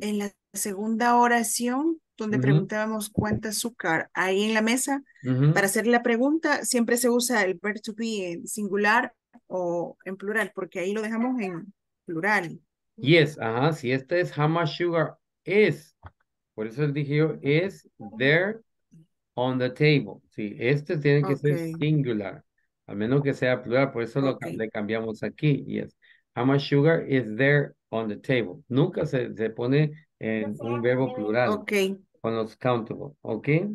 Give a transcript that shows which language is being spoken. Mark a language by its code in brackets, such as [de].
[es] En la segunda oración, donde preguntábamos cuánto azúcar hay en la mesa, para hacer la pregunta, siempre se usa el verb to be en singular o en plural, porque ahí lo dejamos en plural. [en] Yes, [es] ajá, si este es [en] how much sugar is, [es] por eso él dije yo, [en] is there on the table. [es] Sí, este tiene que ser singular, al menos que sea plural, por eso le cambiamos aquí. [en] Yes, how much sugar is there on the table. [es] Nunca se pone en un verbo plural con los countable, ¿ok?